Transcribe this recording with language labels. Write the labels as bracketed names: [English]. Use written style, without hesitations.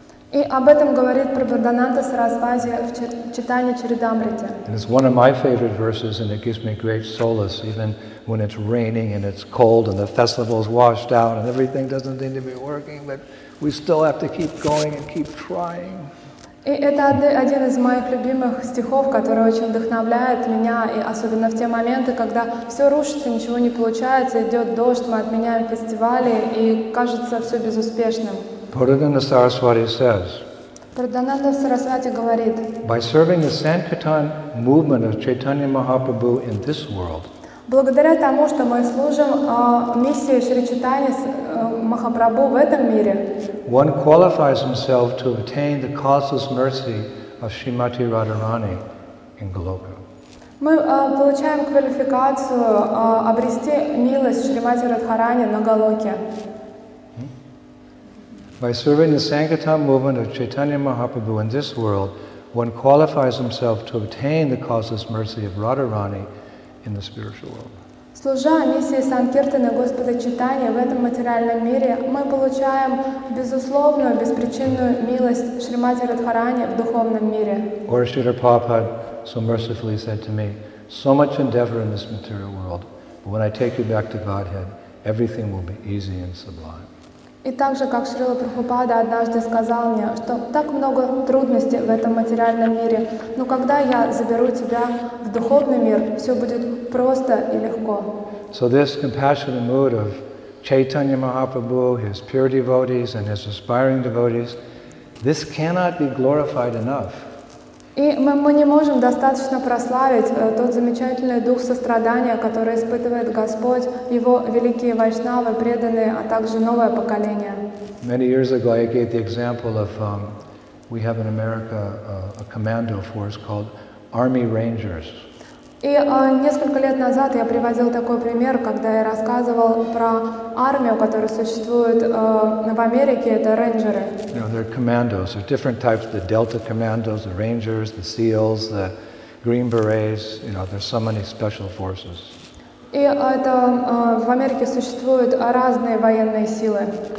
[Russian] И об этом говорит Прабхудананда Сарасвати в читании Чаридамрите. [English] It's one of my favorite verses, and it gives me great solace, even when it's raining and it's cold and the festival's washed out and everything doesn't seem to be working, but we still have to keep going and keep trying. [Russian] И это один из моих любимых стихов, который очень вдохновляет меня, и особенно в те моменты, когда все рушится, ничего не получается, идет дождь, мы отменяем фестивали, и кажется все безуспешным. [English] Prabodhananda Saraswati says, by serving the Sankirtan movement of Chaitanya Mahaprabhu in this world, one qualifies himself to attain the causeless mercy of Srimati Radharani in Goloka. [Russian] Мы получаем квалификацию обрести милость Шримати Радхарани на Голоке. [English] By serving the Sankirtan movement of Chaitanya Mahaprabhu in this world, one qualifies himself to obtain the causeless mercy of Radharani in the spiritual world. [Russian] Служа миссии Санкиртаны Господа Чайтаньи в этом материальном мире, мы получаем безусловную, беспричинную милость Шримати Радхарани в духовном мире. [English] Or Śrīla Prabhupāda so mercifully said to me, so much endeavor in this material world, but when I take you back to Godhead, everything will be easy and sublime. [Russian] И также, как Шрила Прабхупада однажды сказал мне, что так много трудностей в этом материальном мире, но когда я заберу тебя в духовный мир, все будет просто и легко. [English] So this compassionate mood of Chaitanya Mahaprabhu, his pure devotees and his aspiring devotees, this cannot be glorified enough. [Russian] И мы не можем достаточно прославить тот замечательный дух сострадания, который испытывает Господь, его великие вайшнавы, преданные, а также новое поколение. [English] Many years ago I gave the example of we have in America a commando force called Army Rangers. [Russian] И несколько лет назад я приводил такой пример, когда я рассказывал про армию, которая существует в Америке, это рейнджеры. [English] You know, they're commandos, they're different types, the Delta commandos, the Rangers, the SEALs, the Green Berets, you know, there's so many special forces. [Russian] И это в Америке существуют разные военные силы.